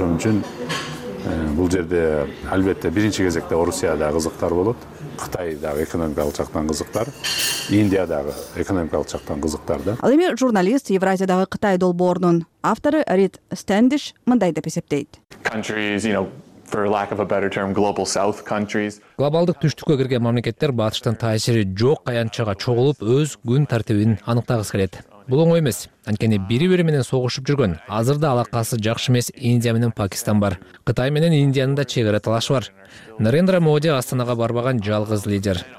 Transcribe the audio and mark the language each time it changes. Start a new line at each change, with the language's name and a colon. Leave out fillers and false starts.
Kyrgyz: Ошон үчүн бул жерде албетте биринчи кезекте Орусия дагы кызыктар болот, Кытай дагы экономикалык жактан кызыктар, Индия дагы экономикалык жактан кызыктар да. Ал эми журналист Евразиядагы Кытай долбоорунун автору Рид Стендиш мындай деп эсептейт.
English: For lack of a better term, global south countries.
Kyrgyz: Глобалдык түштүккө кирген мамлекеттер батыштын таасири жок аянтчага чогулуп өз күн тартибин аныктагысы келет. Бул оңой эмес. Анткени бири бири менен согушуп жүргөн, азырда алакасы жакшы эмес Индия менен Пакистан бар. Кытай менен Индиянын да чек ара талашы бар. Нарендра Моди Астанага барбаган жалгыз лидер.